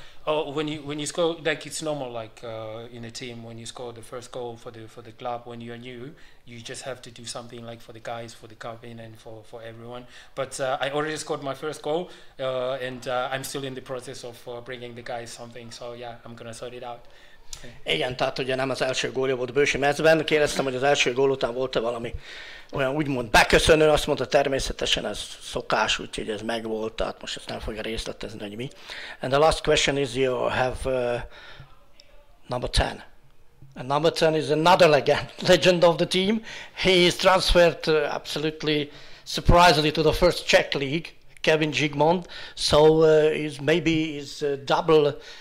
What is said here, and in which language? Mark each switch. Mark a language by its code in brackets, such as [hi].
[en] Oh, when you score, like it's normal, like in a team, when you score the first goal for the club, when you're new, you just have to do something like for the guys, for the cabin, and for everyone. But I already scored my first goal, and I'm still in the process of bringing the guys something. So yeah, I'm gonna sort it out. Okay. [hu] Igen, tehát ugye nem az első gólja volt Bősi mezben, kérdeztem, hogy az első gól után volt-e valami olyan úgymond beköszönő, azt mondta természetesen ez szokás, úgyhogy ez megvolt, tehát most ezt nem fogja részletezni, hogy mi. [en] And the last question is, you have number 10. And number 10 is another legend of the team. He is transferred absolutely surprisingly to the first Czech league, Kevin Zsigmond, so he's double...